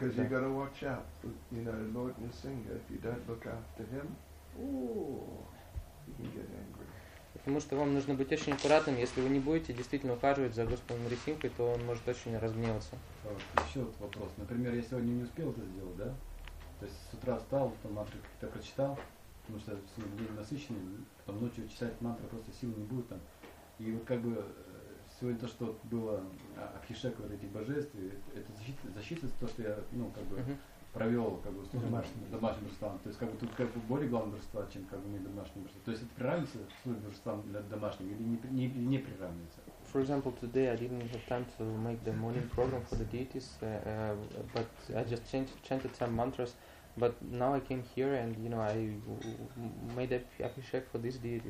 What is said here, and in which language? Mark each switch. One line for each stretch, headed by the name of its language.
English: Because you've got to watch out, you know, Lord Nrisimha, if you don't look after him, you can get angry.
Russian: Потому что вам нужно быть очень аккуратным, если вы не будете действительно ухаживать за Господом Нрисимхой, то он может очень разгневаться. Еще вот вопрос. Например, я сегодня не успел это сделать, да? То есть с утра встал, там мантру как-то прочитал, потому что день насыщенный, потом ночью читать мантры просто сил не будет там. И вот как бы сегодня то, что было абхишек вот этих божеств, это засчитывается то, что я, ну, как бы провел как бы с домашним божеством. То есть как бы тут как бы более главное божество, чем как бы не домашнее божество. То есть это приравнивается с божеством для домашнего или не приравнивается?
English: For example, today I didn't have time to make the morning program for the deities, but I just chanted some mantras. But now I came here and, you know, I made abhishek for this deity.